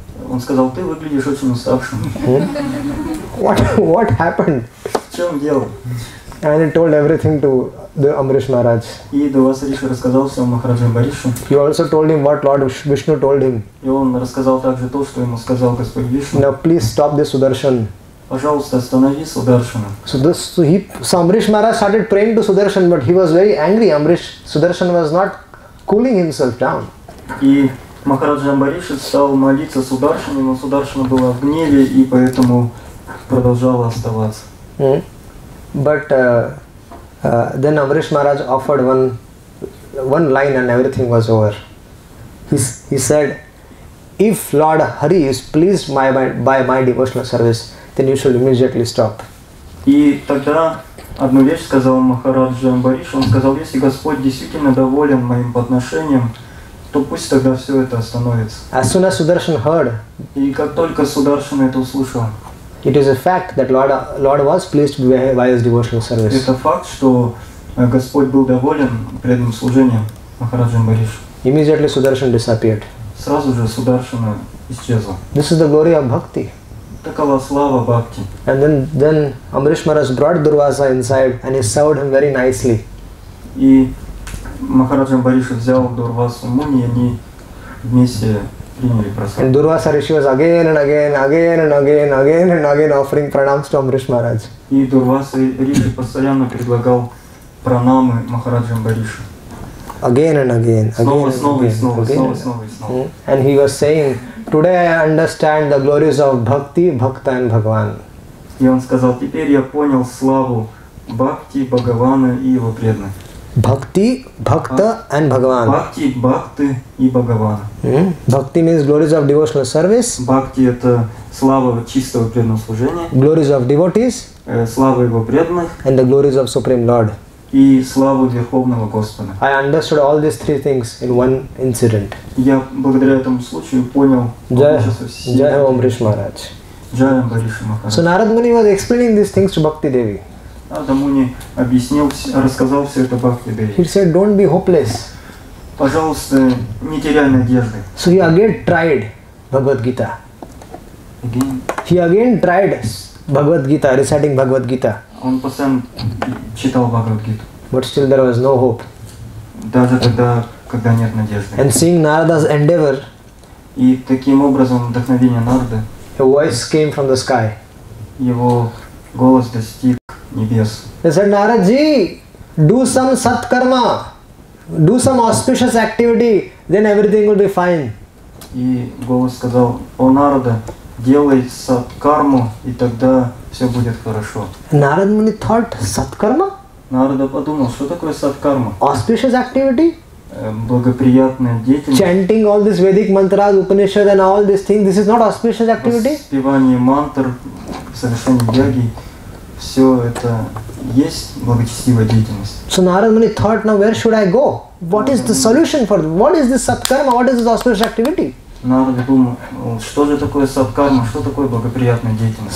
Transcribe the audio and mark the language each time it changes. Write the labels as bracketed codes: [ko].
[ru] Он сказал, ты выглядишь очень уставшим. [en] What happened? [ru] В чем дело? [en] And he told everything to the Amrish Maharaj. [ru] И Дурваса Риши рассказал всем Махараджа Амбаришу. [en] He also told him what Lord Vishnu told him. [ru] И он рассказал также то, что ему сказал Господь Вишну. [en] Now please stop this Sudarshan. [ru] Пожалуйста, останови Сударшана. [en] So Amrish Maharaj started praying to Sudarshan, but he was very angry. Amrish Sudarshan was not cooling himself down. [ru] И Махараджа Амбариши стал молиться Сударшану, но Сударшана была в гневе и поэтому продолжала оставаться. [en] But then Amrish Maharaj offered one line and everything was over. He said, if Lord Hari is pleased by my devotional service, then you should immediately stop. [ru] И тогда одну вещь сказал Махараджа Амбариш. Он сказал, если Господь действительно доволен моим подношением, то пусть тогда все это остановится. [en] As soon as Sudarshan heard, [ru] и как только Сударшан это услышал, [en] it is a fact that Lord was pleased by his devotional service. [ru] Это факт, что Господь был доволен преданным служением Махараджа Амбариш. [en] Immediately Sudarshan disappeared. [ru] Сразу же Сударшан исчезла. [en] This is the glory of bhakti. [ru] Такова слава бхакти. [en] And then Amrish Maharaj brought Durvasa inside and he served him very nicely. [ru] И Махараджа Амбариш взял Дурвасу Муни, и они вместе приняли прасад. [en] And Durvasa Rishi was again and again offering pranams to Amrish Maharaj. [ru] И Дурваса Риши постоянно предлагал пранамы Махараджа Амбаришу. [en] Again and again. And he was saying, today I understand the glories of bhakti, bhakta and bhagavan. [ru] И он сказал, теперь я понял славу бхакти, бхагавана и его преданных. [en] Bhakti, bhakta and bhagavan. [ru] Bhakti, bhakti и bhagavan. [en] Bhakti means glories of devotional service. [ru] Bhakti это слава чистого преданного служения. [en] Glories of devotees. [ru] Слава его преданных. [en] And the glories of Supreme Lord. [ru] И славу Верховного Господа. [en] I understood all these three things in one incident. [ru] Я благодаря этому случаю понял. Джай Амриш Махарадж. Джай Амриш Махарадж. [en] So Narad Muni was explaining these things to Bhakti Devi. [ru] Нарада Муни объяснил, рассказал все это Бхакти Деви. [en] He said, "Don't be hopeless." [ru] Пожалуйста, не теряй надежды. [en] So he again tried Bhagavad Gita. Again. He again tried Bhagavad Gita, reciting Bhagavad Gita. [ru] Он постоянно читал Бхагавад-гиту. [en] But still there was no hope. [ru] Даже тогда, когда нет надежды. [en] And seeing Narada's endeavor, [ru] и таким образом вдохновение Нарды, [en] a voice came from the sky. [ru] Его голос достиг небес. [en] They said, Naradji, do some sat-karma, do some auspicious activity, then everything will be fine. [ru] И голос сказал, о Нарада, делай сат-карму, и тогда все будет хорошо. [en] Narada Muni thought, сат-карма? [ru] Narada подумал, что такое сат-карма? [en] Auspicious activity? [ru] Благоприятная деятельность. [en] Chanting all these Vedic mantras, Upanishad and all these things, this is not auspicious activity? [ru] Воспевание мантр, совершение йоги, все это есть благочестивая деятельность. [en] So Narada Muni thought, now where should I go? What is the solution for this? What is this сат-карма? What is this auspicious activity? [ru] Narada думал, что же такое садкарма, что такое благоприятная деятельность.